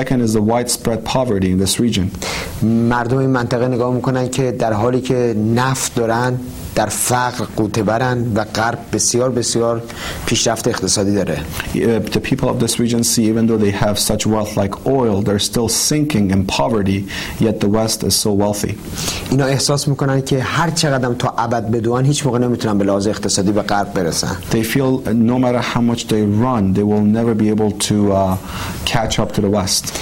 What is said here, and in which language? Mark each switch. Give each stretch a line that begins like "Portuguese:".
English: Second is the widespread poverty in this region.
Persian: مردم این منطقه نگاه میکنن که در حالی که نفت دارن در فقر قوطه برن و غرب بسیار بسیار پیشرفت اقتصادی داره.
English: The people of this region see even though they have such wealth like oil, they're still sinking in poverty, yet the West is so wealthy.
Persian: اینا احساس میکنن که هر چقدرم تا ابد بدون هیچ موقع نمیتونن به لحاظ اقتصادی به غرب برسن.
English: They feel no matter how much they run, they will never be able to catch up to the West.